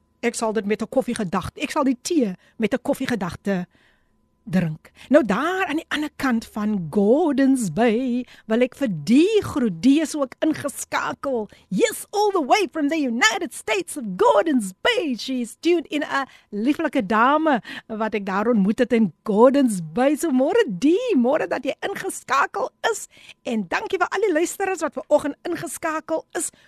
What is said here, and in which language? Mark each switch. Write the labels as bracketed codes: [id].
[af] Ek sal die tee met 'n koffie gedagte drink. Nou daar aan die ander kant van Gordons Bay, wil ek vir die groet, die is ook ingeskakel. [en] Yes, all the way from the United States of Gordons Bay. She's tuned in, [af] 'n lieflike dame wat ek daar ontmoet het in Gordons Bay. So môre die, môre dat jy ingeskakel is. En dankie vir al die luisteraars wat vanoggend ingeskakel is.